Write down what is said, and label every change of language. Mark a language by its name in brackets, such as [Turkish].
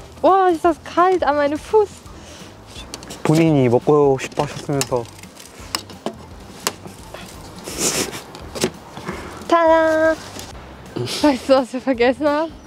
[German] 와, wow, ist das kalt an meine Fuß. [Korean] 본인이 먹고 싶어 하셨으면서. 다 [German] Weißt du, was wir vergessen haben?